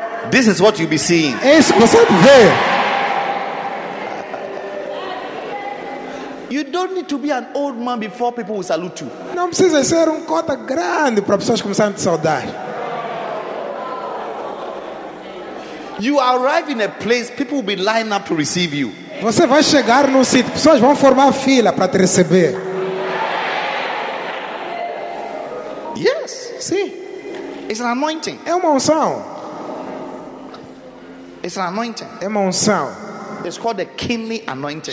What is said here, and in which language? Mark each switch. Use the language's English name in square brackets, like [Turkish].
[English] This is what you'll be seeing. [Portuguese] Esse você vai ver. [English] You don't need to be an old man before people will salute you. [Portuguese] Não precisa ser cota grande para pessoas começarem a te saudar. [English] You arrive in a place, people will be lining up to receive you. [Portuguese] Você vai chegar num sítio, pessoas vão formar fila para te receber. [English] Yes, see? It's an anointing. [Portuguese] É uma unção. [English] It's an anointing. [Portuguese] É uma unção. [English] It's called the kingly anointing.